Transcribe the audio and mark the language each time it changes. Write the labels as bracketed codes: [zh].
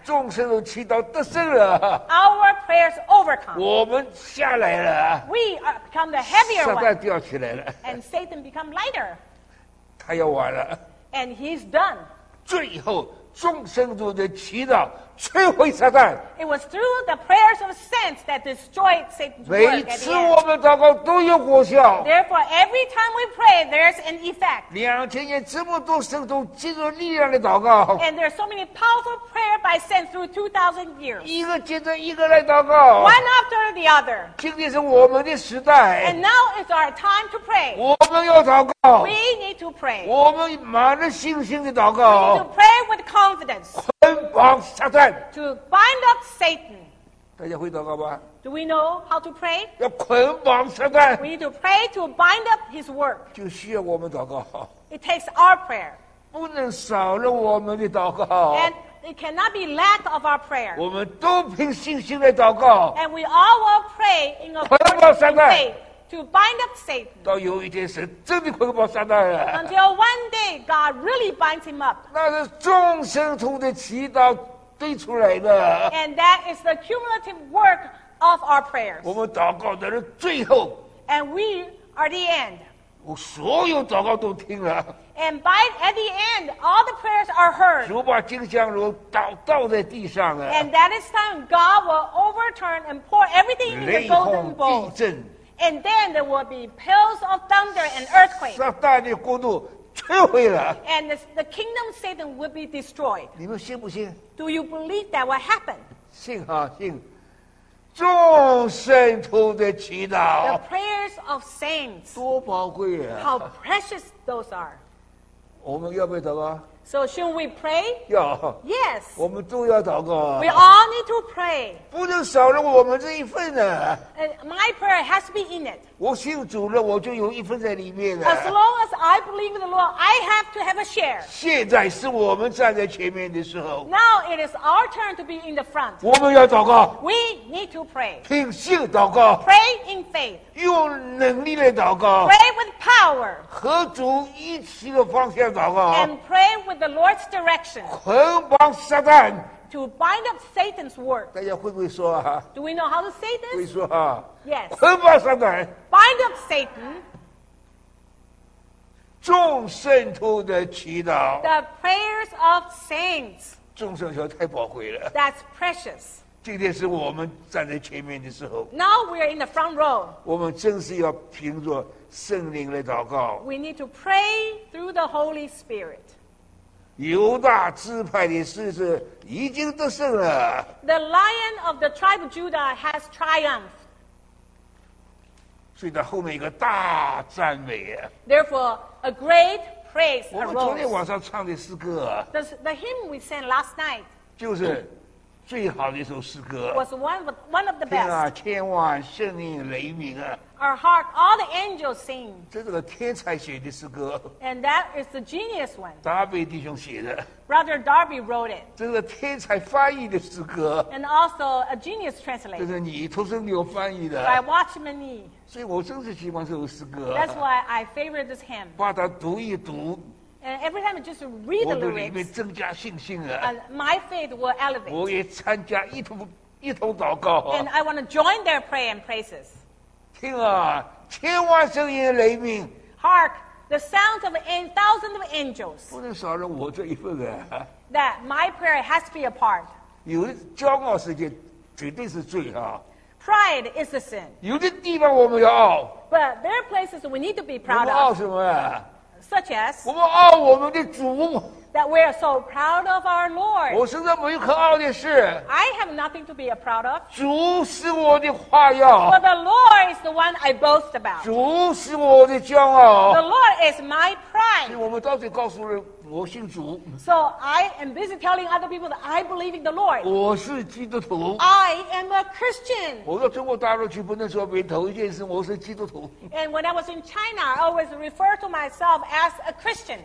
[zh] 众生都祈祷得胜了 [en] Our prayers overcome [zh] 我们下来了 [en] We are become the heavier one [zh] 撒旦掉起来了 [en] And Satan become lighter [zh] 他要完了 [en] And he's done [zh] 最后众生都在祈祷摧毁撒旦 [en] It was through the prayers of saints that destroyed Satan's work [zh] 每次我们祷告都有果效 [en] Therefore every time we pray there's an effect [zh] 2000年这么多圣徒借着力量的祷告 [en] And there are so many powerful prayers by saints through 2000 years [zh] 一个接着一个来祷告 [en] One after the other [zh] 今天是我们的时代 [en] And now it's our time to pray [zh] 我们要祷告 [en] We need to pray [zh] 我们满了信心的祷告 [en] We need to pray with confidence [zh] 捆绑撒旦 [en] To bind up Satan. [zh] 大家会祷告吧 [en] Do we know how to pray? [zh] 要捆绑撒旦 [en] We need to pray to bind up his work. [zh] 就需要我们祷告 [en] It takes our prayer. [zh] 不能少了我们的祷告 [en] And it cannot be lack of our prayer. [zh] 我们都凭信心来祷告 [en] And we all will pray in a faith. [zh] 捆绑撒旦 [en] To bind up Satan. [zh] 到有一天神真的捆绑撒旦了 [en] Until one day God really binds him up. [zh] 那是众生徒的祈祷堆出来的 [en] and that is the cumulative work of our prayers. [zh] 我们祷告的是最后 [en] and we are the end. [zh] 我所有祷告都听了 [en] and by at the end, all the prayers are heard. [zh] 主把金香炉倒在地上了 [en] and that is time God will overturn and pour everything in the golden bowl. [zh] 雷轰地震 [en] and then there will be peals of thunder and earthquake. [zh] 撒旦的国度摧毁了 [en] and the kingdom of Satan will be destroyed. [zh] 你们信不信？ [en] Do you believe that will happen? [zh] 信啊信，众圣徒的祈祷。 [en] The prayers of saints. [zh] 多宝贵啊 [en] How precious those are. [zh] 我们要不要祷告 [en] So should we pray? [zh] 要。 [en] Yes. [zh] 我们都要祷告。 [en] We all need to pray. [zh] 不能少了我们这一份呢。 [en] My prayer has to be in it. [zh] 我信主了，我就有一份在里面呢。 [en] As long as I believe in the Lord, I have to have a share. [zh] 现在是我们站在前面的时候。 [en] Now it is our turn to be in the front. [zh] 我们要祷告。 [en] We need to pray. [zh] 凭信祷告。 [en] Pray in faith. [zh] 用能力来祷告。 [en] Pray with power. [zh] 和主一起的方向祷告。 [en] And pray with the Lord's direction. [zh] 捆绑撒旦。 [en] To bind up Satan's work. [zh] 大家会不会说啊 [en] Do we know how to say this? [zh] 会说啊 [en] Yes. [zh] 捆绑撒旦。 [en] Bind up Satan. [zh] 众圣徒的祈祷。 [en] The prayers of saints. [zh] 众圣徒太宝贵了。 [en] That's precious. [zh] 今天是我们站在前面的时候。 [en] Now we are in the front row. [zh] 我们真是要凭着圣灵来祷告。 [en] We need to pray through the Holy Spirit. [zh] 犹大支派的狮子已经得胜了。 [en] The lion of the tribe of Judah has triumphed. [zh] 所以在后面一个大赞美。 [en] Therefore, a great praise arose. [zh] 我们昨天晚上唱的诗歌。 [en] The hymn we sang last night. [zh] 就是最好的一首诗歌。 [en] Was one of the best. [zh] 天啊，千万圣灵雷鸣啊。 [en] Our heart, all the angels sing. [zh] 这是个天才写的诗歌。 [en] And that is the genius one. [zh] 达比弟兄写的。 [en] Brother Darby wrote it. [zh] 这是天才翻译的诗歌。 [en] And also a genius translator. [zh] 这是你偷生牛翻译的。 [en] By Watchman Nee. [zh] 所以我真是喜欢这首诗歌。 [en] That's why I favor this hymn. [zh] 把它读一读。 [en] And every time I just read the lyrics. [zh] 我的里面增加信心啊。 [en] My faith will elevate. [zh] 我也参加一同祷告。 [en] And I want to join their prayer and praises. [zh] 听啊，千万声音雷鸣。 [en] Hark, the sounds of thousands of angels. [zh] 不能少了我这一份啊。 [en] That my prayer has to be a part. [zh] 有的骄傲是件，绝对是罪啊。 [en] Pride is a sin. [zh] 有的地方我们要傲。 [en] But there are places we need to be proud of. [zh] 我们傲什么啊 [en] ？Such as. [zh] 我们傲我们的主。 [en] That we are so proud of our Lord. [zh] 我身上没有可傲的事。 [en] I have nothing to be proud of. [zh] 主是我的夸耀。 [en] For the Lord is the one I boast about. [zh] 主是我的骄傲。 [en] The Lord is my pride. [zh] 所以我们到底告诉人我信主。 [en] So I am busy telling other people that I believe in the Lord. [zh] 我是基督徒。 [en] I am a Christian. [zh] 我到中国大陆去不能说别头一件事我是基督徒。 [en] And when I was in China, I always refer to myself as a Christian.